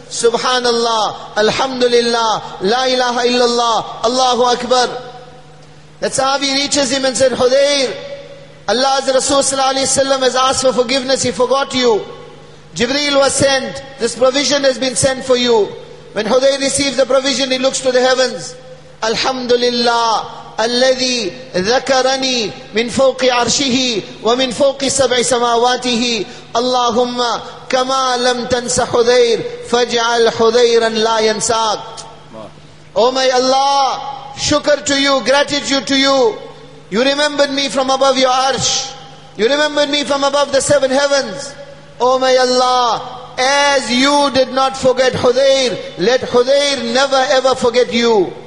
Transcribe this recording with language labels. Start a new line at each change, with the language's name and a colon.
English: Subhanallah, Alhamdulillah, La ilaha illallah, Allahu Akbar." That sahabi reaches him and said, "Hudayr, Allah's Rasul sallallahu alayhi wa sallam has asked for forgiveness, he forgot you. Jibreel was sent, this provision has been sent for you." When Hudayr receives the provision, he looks to the heavens.
Arabic: "Alhamdulillah, الذي ذكرني من فوق عرشه ومن فوق سبع سماواته اللهم كما لم تنس حذير فاجعل حذيرا لا ينساك."
English: Oh my Allah, shukr to you, gratitude to you. You remembered me from above your arsh. You remembered me from above the seven heavens. Oh my Allah, as you did not forget Hudayr, let Hudayr never ever forget you.